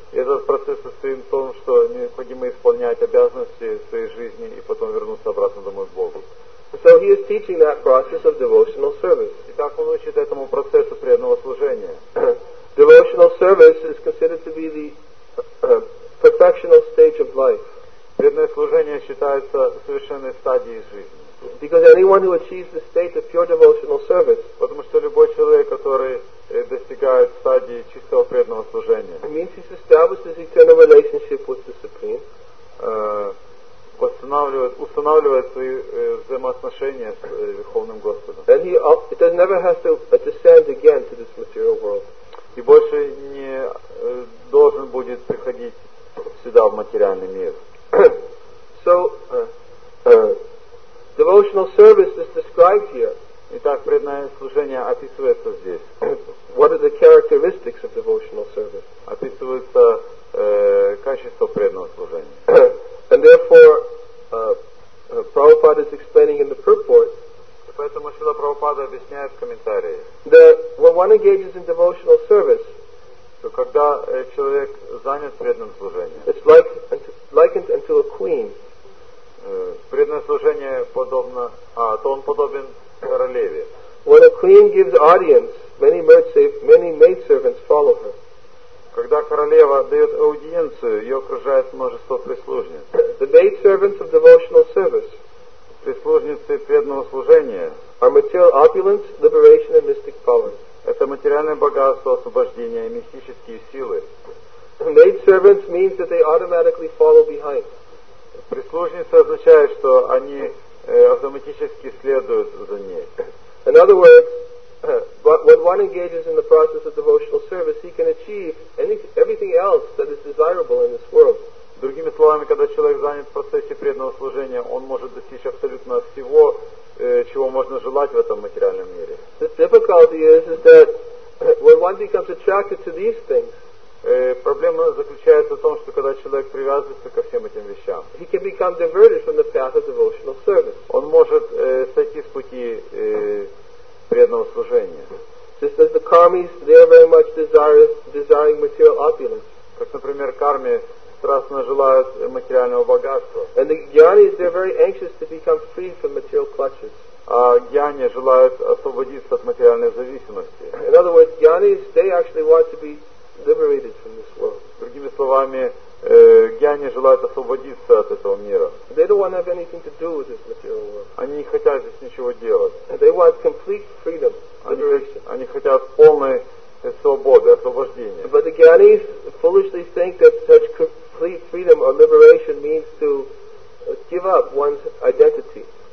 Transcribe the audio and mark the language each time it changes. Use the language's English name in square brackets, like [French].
[Russian] Этот процесс состоит в том, что необходимо исполнять обязанности своей жизни и потом вернуться обратно домой к Богу. [English] So he is teaching that process of devotional service. [Russian] Итак, он учит этому процессу преданного служения. [English] Devotional service is considered to be the perfectional stage of life. [Russian] Преданное служение считается совершенной стадией жизни. [English] Because anyone who achieves the state of pure devotional service, [Russian] потому что любой человек, который достигает стадии чистого преданного служения, [English] means he's established his eternal relationship with the Supreme. [Russian] Устанавливает свои взаимоотношения с Верховным Господом. [English] And he never has to descend again to this material world. [Russian] И больше не должен будет приходить сюда, в материальный мир. [English] So, devotional service is described here. [Russian] Итак, преданное служение описывается здесь. [English] What are the characteristics of devotional service? [Russian] Описывается качество преданного служения. [English] And therefore, Prabhupada is explaining in the purport. [Russian] Поэтому Шрила Прабхупада объясняет в комментарии. [English] That when one engages in devotional service, [Russian] то когда человек занят преданным служением, [English] it's likened unto a queen. [Russian] Преданное служение подобно, то он подобен королеве. [English] When a queen gives audience, many maidservants follow her. [Russian] Когда королева дает аудиенцию, ее окружает множество прислужниц. [English] The maidservants of devotional service. [Russian] Прислужницы преданного служения. [English] Are material opulence, liberation and mystic power. [Russian] Это материальное богатство, освобождение и мистические силы. [English] Maidservants means that they automatically follow behind. [Russian] Прислужница означает, что они автоматически следуют за ней. [English] In other words, but when one engages in the process of devotional service, he can achieve everything else that is desirable in this world. [Russian] Другими словами, когда человек занят в процессе преданного служения, он может достичь абсолютно всего, чего можно желать в этом материальном мире. [English] The difficulty is that when one becomes attracted to these things, [Russian] Проблема заключается в том, что когда человек привязывается ко всем этим вещам, [English] he can become diverted from the path of devotional service. [Russian] Он может сойти с пути преданного служения. [English] Just as the karmis, they are very much desiring material opulence. [Russian] Как, например, карми страстно желают материального богатства. [English] And the gyanis, they are very anxious to become free from material clutches. [Russian] А гьяни желают освободиться от материальной зависимости. [English] In other words, gyanis, they actually want to be liberated from this world. [Russian] Другими словами, гьяни желают освободиться от этого мира. [English] They don't want to have anything to do with this material world. [Russian] Они не хотят здесь ничего делать. [English] And they want complete freedom. [Russian] Они хотят полной свободы, освобождения. [English] But the gyanis foolishly think that such complete freedom or liberation means to give up one's identity.